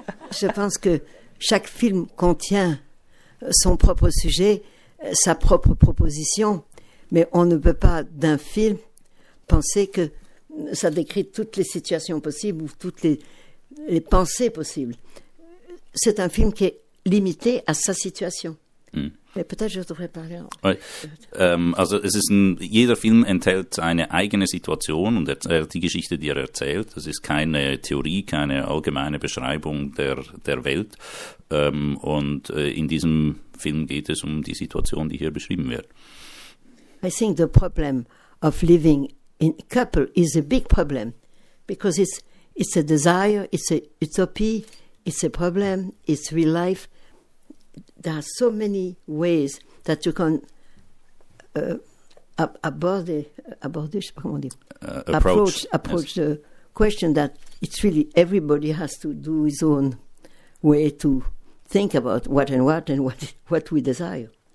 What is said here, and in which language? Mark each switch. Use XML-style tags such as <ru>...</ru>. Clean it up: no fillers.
<fr>Je pense que chaque film contient son propre sujet, sa propre proposition, mais on ne peut pas, d'un film, penser que ça décrit toutes les situations possibles ou toutes les pensées possibles. C'est un film qui est limité à sa situation. Mm. Mais peut-être je devrais parler.</fr> <en>Right.</en> <de>Also, es ist jeder Film enthält eine eigene Situation und erzählt die Geschichte, die erzählt. Das ist keine Theorie, keine allgemeine Beschreibung der Welt. In diesem Film geht es die Situation, die hier beschrieben wird.</de> <en>I think the problem of living in a couple is a big problem because it's a desire, it's a utopia. It's a problem, it's real life. There are so many ways that you can approach yes. The question that it's really everybody has to do his own way to think about what we desire.</en>